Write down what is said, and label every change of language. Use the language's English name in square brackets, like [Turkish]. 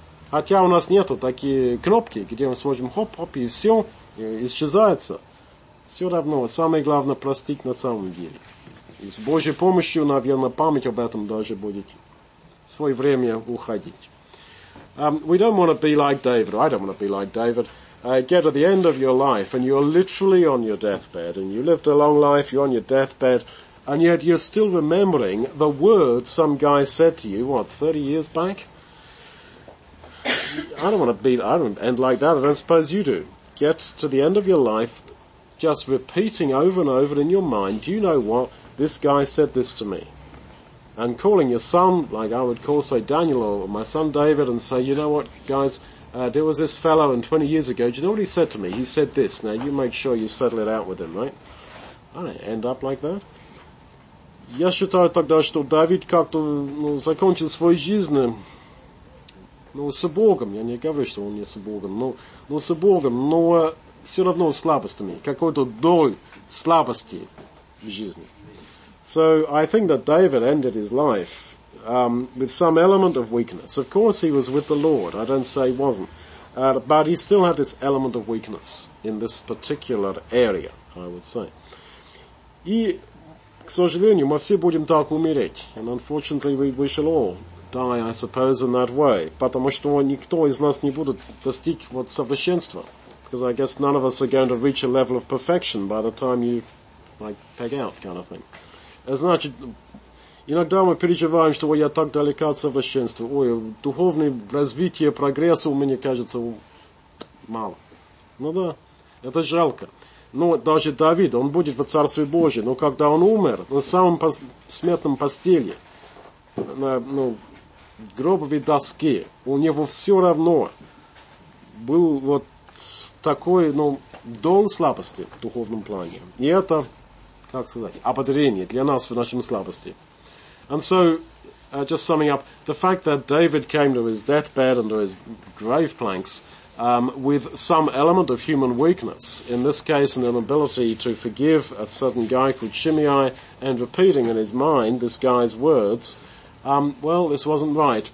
[Russian] Хотя у нас нету такие кнопки, где мы сможем хоп-хоп и все, и исчезается. Все равно, самое главное простить на самом деле. И с Божьей помощью, наверное, память об этом даже будет в свое время уходить. [English] We don't want to be like David. I don't want to be like David. Get to the end of your life and you're literally on your deathbed and you lived a long life, you're on your deathbed and yet you're still remembering the words some guy said to you, what, 30 years back? I don't want to end like that. I don't suppose you do. Get to the end of your life just repeating over and over in your mind, do you know what, this guy said this to me. And calling your son, like I would call, say, Daniel or my son David, and say, you know what, guys, there was this fellow, and 20 years ago, do you know what he said to me? He said this. Now, you make sure you settle it out with him, right? I don't end up like that. [Russian] Я считаю тогда, что Давид как-то закончил свою жизнь, с Богом. Я не говорю, что он не с Богом, но с Богом. Но все равно слабостями, какой-то долей слабости в жизни. [English] So I think that David ended his life with some element of weakness. Of course he was with the Lord, I don't say he wasn't. But he still had this element of weakness in this particular area, I would say. [Russian] И, к сожалению, мы все будем так умереть. [English] And unfortunately we shall all die, I suppose, in that way. [Russian] Потому что никто из нас не будет достичь вот совершенства. [English] Because I guess none of us are going to reach a level of perfection by the time you, like, peg out kind of thing. [Russian] Значит, иногда мы переживаем, что я так далека от совершенства. Ой, духовное развитие, прогресс у меня, кажется, мало. Ну да, это жалко. Но даже Давид, он будет в Царстве Божьем. Но когда он умер, на самом смертном постели, на гробовой доске, у него все равно был вот такой, дол слабости в духовном плане. И это... Как сказать? Ободрение для нас в нашем слабости. [English] And so, just summing up, the fact that David came to his deathbed and to his grave planks with some element of human weakness, in this case an inability to forgive a certain guy called Shimei and repeating in his mind this guy's words, this wasn't right.